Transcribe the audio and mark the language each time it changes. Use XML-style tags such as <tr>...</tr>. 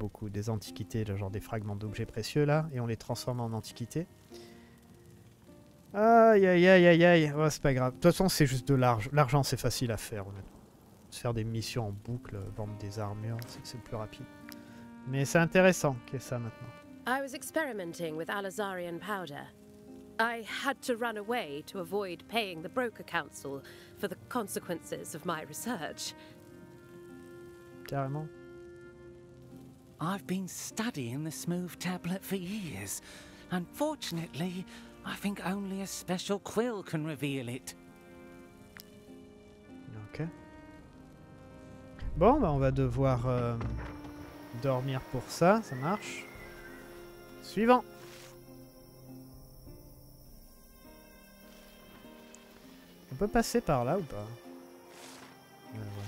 <fr>Des antiquités, genre des fragments d'objets précieux, là. Et on les transforme en antiquités. Aïe. Oh, c'est pas grave. De toute façon, c'est juste de l'argent. L'argent, c'est facile à faire, honnêtement. Se faire des missions en boucle, vendre des armures, c'est le plus rapide. Mais c'est intéressant qu'il y ait ça, maintenant.</fr> <en>I was experimenting with Alazarian powder. I had to run away to avoid paying the broker council for the consequences of my research.</en> <fr>Carrément.</fr> <en>I've been studying the smooth tablet for years. Unfortunately, I think only a special quill can reveal it. Okay.</en> <fr>Bon, bah on va devoir dormir pour ça. Ça marche. Suivant. On peut passer par là ou pas? Ouais.</fr>